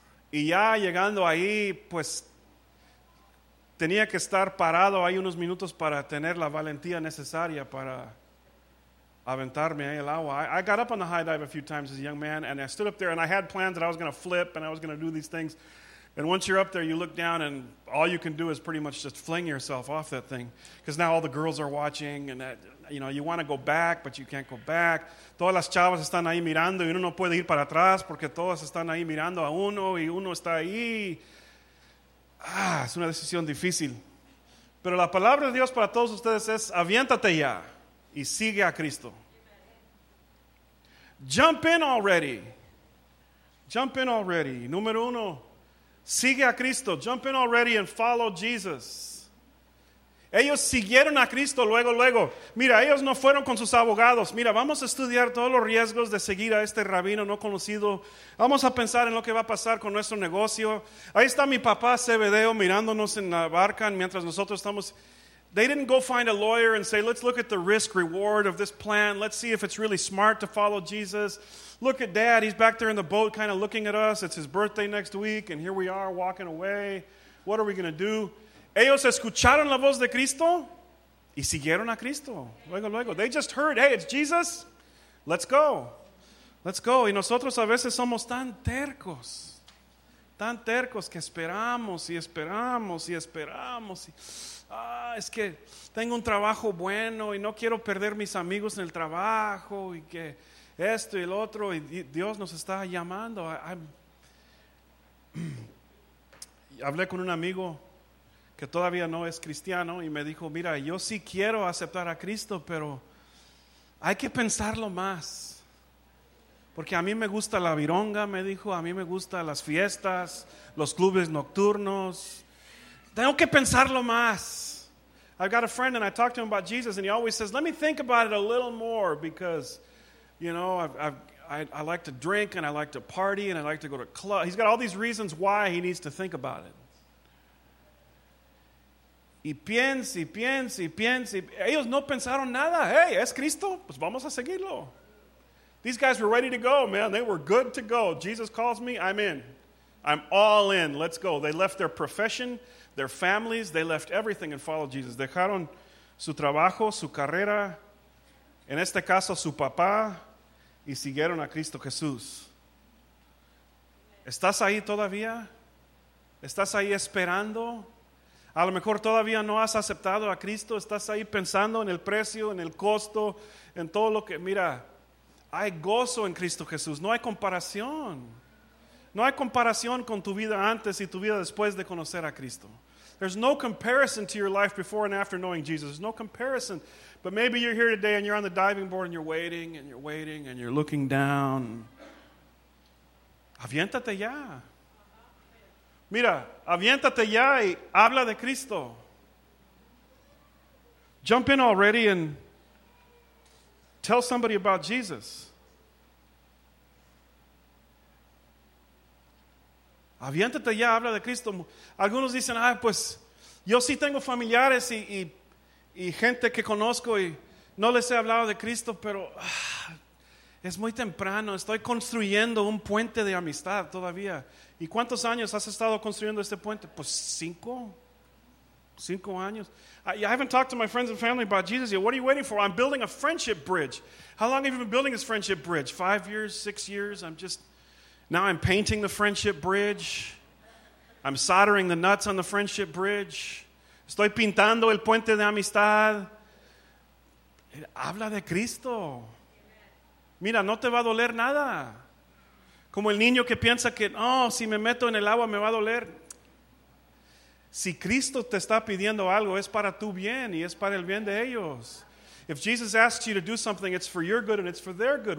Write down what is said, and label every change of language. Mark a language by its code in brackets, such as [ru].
[es] Y ya llegando ahí, pues tenía que estar parado ahí unos minutos para tener la valentía necesaria para aventarme el agua. [en] I got up on the high dive a few times as a young man, and I stood up there, and I had plans that I was going to flip, and I was going to do these things. And once you're up there, you look down, and all you can do is pretty much just fling yourself off that thing, because now all the girls are watching, and that, you know, you want to go back, but you can't go back. [es] Todas las chavas están ahí mirando, y uno no puede ir para atrás, porque todas están ahí mirando a uno, y uno está ahí. Ah, es una decisión difícil. Pero la palabra de Dios para todos ustedes es, aviéntate ya, y sigue a Cristo. [en] Jump in already. Jump in already. [es] Número uno. Sigue a Cristo. [en] Jump in already and follow Jesus. [es] Ellos siguieron a Cristo luego, luego. Mira, ellos no fueron con sus abogados. Mira, vamos a estudiar todos los riesgos de seguir a este rabino no conocido. Vamos a pensar en lo que va a pasar con nuestro negocio. Ahí está mi papá Zebedeo mirándonos en la barca mientras nosotros estamos. [en] They didn't go find a lawyer and say, let's look at the risk reward of this plan. Let's see if it's really smart to follow Jesus. Look at Dad, he's back there in the boat kind of looking at us. It's his birthday next week, and here we are walking away. What are we going to do? [es] Ellos escucharon la voz de Cristo y siguieron a Cristo. Luego, luego. [en] They just heard, hey, it's Jesus. Let's go. Let's go. [es] Y nosotros a veces somos tan tercos que esperamos y esperamos y esperamos. Ah, es que tengo un trabajo bueno y no quiero perder mis amigos en el trabajo y que... esto y el otro, y Dios nos está llamando. Hablé con un amigo que todavía no es cristiano y me dijo, mira, yo sí quiero aceptar a Cristo, pero hay que pensarlo más. Porque a mí me gusta la vironga, me dijo, a mí me gustan las fiestas, los clubes nocturnos. Tengo que pensarlo más. [en] I've got a friend and I talked to him about Jesus and he always says, let me think about it a little more because... you know, I like to drink and I like to party and I like to go to club. He's got all these reasons why he needs to think about it. [es] Y piensa, piensa, piensa. Ellos no pensaron nada. Hey, es Cristo. Pues vamos a seguirlo. [en] These guys were ready to go, man. They were good to go. Jesus calls me, I'm in. I'm all in. Let's go. They left their profession, their families. They left everything and followed Jesus. [es] Dejaron su trabajo, su carrera. En este caso, su papá, y siguieron a Cristo Jesús. ¿Estás ahí todavía? ¿Estás ahí esperando? A lo mejor todavía no has aceptado a Cristo. ¿Estás ahí pensando en el precio, en el costo, en todo lo que... mira, hay gozo en Cristo Jesús. No hay comparación. No hay comparación con tu vida antes y tu vida después de conocer a Cristo. [en] There's no comparison to your life before and after knowing Jesus. There's no comparison. But maybe you're here today and you're on the diving board and you're waiting and you're waiting and you're looking down. [es] Aviéntate ya. Mira, aviéntate ya y habla de Cristo. [en] Jump in already and tell somebody about Jesus. [es] Aviéntate ya, habla de Cristo. Algunos dicen, ah, pues, yo sí tengo familiares y gente que conozco y no les he hablado de Cristo, pero es muy temprano. Estoy construyendo un puente de amistad todavía. ¿Y cuántos años has estado construyendo este puente? Pues, cinco años. [en] I haven't talked to my friends and family about Jesus yet. What are you waiting for? I'm building a friendship bridge. How long have you been building this friendship bridge? 5 years, 6 years? Now I'm painting the friendship bridge. I'm soldering the nuts on the friendship bridge. [es] Estoy pintando el puente de amistad. Habla de Cristo. Mira, no te va a doler nada. Como el niño que piensa que, oh, si me meto en el agua me va a doler. Si Cristo te está pidiendo algo, es para tu bien y es para el bien de ellos. [en] If Jesus asks you to do something, it's for your good and it's for their good.